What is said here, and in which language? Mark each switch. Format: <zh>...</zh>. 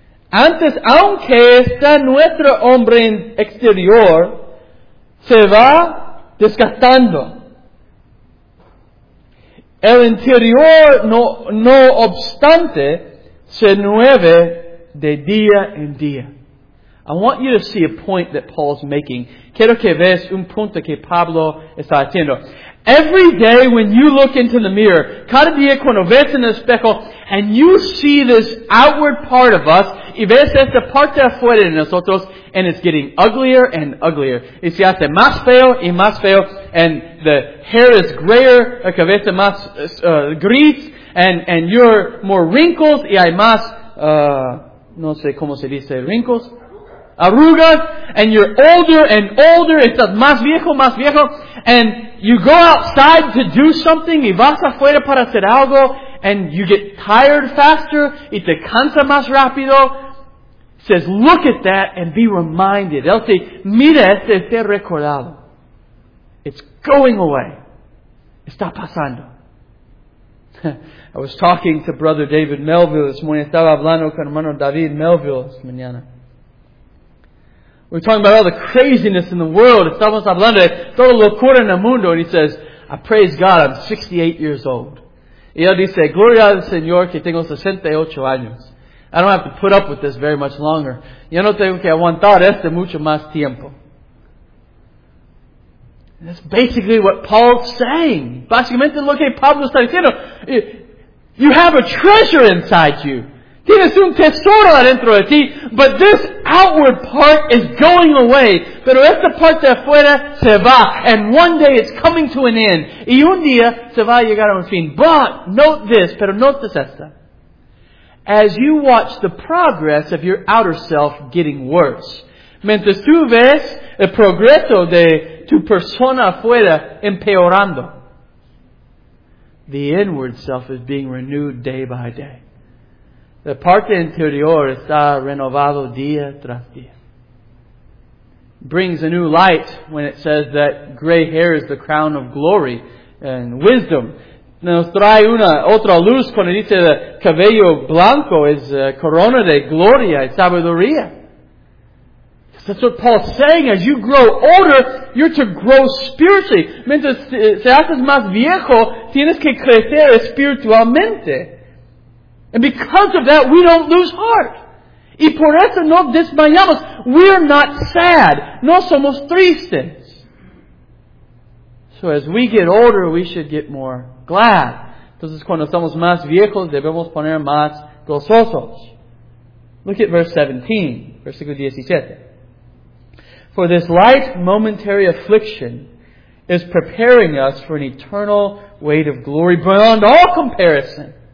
<es>Antes, aunque está nuestro hombre exterior, se va desgastando. El interior, no obstante, se nueve de día en día.</es> <en>I want you to see a point that Paul's making.</en> <es>Quiero que veas un punto que Pablo está haciendo.</es> <en>Every day when you look into the mirror,</en> <es>cada día cuando ves en el espejo,</es> <en>and you see this outward part of us,</en> <es>y ves esta parte afuera de nosotros,</es> <en>and it's getting uglier and uglier.</en> <es>Y se hace más feo y más feo,</es> <en>and the hair is grayer,</en> <es>la cabeza más gris,</es> <en>and you're more wrinkles,</en> <es>y hay más, no sé cómo se dice, wrinkles.</es> <en>Arrugas, and you're older and older,</en> <es>estás más viejo,</es> <en>and you go outside to do something,</en> <es>y vas afuera para hacer algo,</es> <en>and you get tired faster,</en> <es>y te cansa más rápido.</es> <en>Says, look at that and be reminded.</en> <es>Él dice, mira este, esté recordado.</es> <en>It's going away.</en> <es>Está pasando.</es> <en>I was talking to Brother David Melville this morning.</en> <es>Estaba hablando con hermano David Melville esta mañana.</es> <en>We're talking about all the craziness in the world.</en> <es>Estamos hablando de toda locura en el mundo.</es> <en>And he says, I praise God, I'm 68 years old.</en> <es>Y él dice, gloria al Señor que tengo 68 años.</es> <en>I don't have to put up with this very much longer.</en> <es>Yo no tengo que aguantar este mucho más tiempo.</es> <en>And that's basically what Paul's saying.</en> <es>Básicamente lo que Pablo está diciendo.</es> <en>You have a treasure inside you.</en> <es>Tienes un tesoro adentro de ti,</es> <en>but this outward part is going away.</en> <es>Pero esta parte de afuera se va,</es> <en>and one day it's coming to an end.</en> <es>Y un día se va a llegar a un fin.</es> <en>But, note this,</en> <es>pero notes esta.</es> <en>As you watch the progress of your outer self getting worse,</en> <es>mientras tú ves el progreso de tu persona afuera empeorando,</es> <en>the inward self is being renewed day by day.</en> <es>La parte interior está renovado día tras día.</es> <en>Brings a new light when it says that gray hair is the crown of glory and wisdom.</en> <es>Nos trae una otra luz cuando dice que cabello blanco es corona de gloria y sabiduría.</es> <en>That's what Paul's saying. As you grow older, you're to grow spiritually.</en> <es>Mientras se haces más viejo, tienes que crecer espiritualmente.</es> <en>And because of that, we don't lose heart.</en> <es>Y por eso no desmayamos.</es> <en>We're not sad.</en> <es>No somos tristes.</es> <en>So as we get older, we should get more glad.</en> <es>Entonces cuando somos más viejos, debemos poner más gozosos.</es> <en>Look at verse 17.</en> <es>Versículo 17.</es> <en>For this light momentary affliction is preparing us for an eternal weight of glory beyond all comparison.</en>